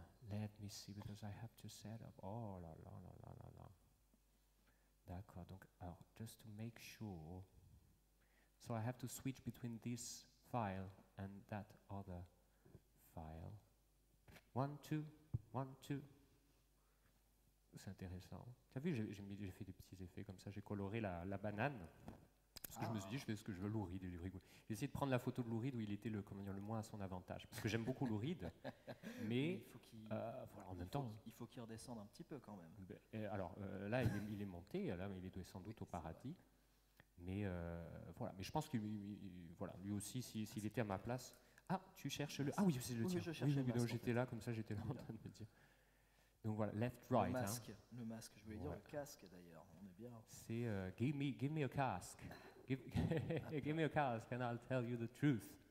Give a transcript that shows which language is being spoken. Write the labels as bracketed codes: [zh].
[en] Let me see, because I have to set up. [fr] Oh là là là là là là. D'accord. Donc, alors, [en] just to make sure. So I have to switch between this file and that other file. One, two. [fr] C'est intéressant. Tu as vu, j'ai fait des petits effets comme ça. J'ai coloré la banane. Parce que je me suis dit, je fais ce que je veux, Lou Reed. J'ai essayé de prendre la photo de Lou Reed où il était le moins à son avantage. Parce que j'aime beaucoup Lou Reed. Mais il faut qu'il, voilà, en même temps, il faut qu'il redescende un petit peu quand même. Ben, alors là, il est monté. Là, il est sans doute au paradis. Mais voilà. Mais je pense que voilà, lui aussi, s'il était à ma place. Ah, tu cherches le. Ah oui, c'est le tien. Oui, je cherchais. Oui, j'étais en fait. Là, comme ça, j'étais là en train de me dire. Donc voilà, [en] left, right. [fr] Le masque, hein. Le masque, je voulais dire le casque d'ailleurs, on est bien. C'est [en] give me a cask. give me a cask and I'll tell you the truth.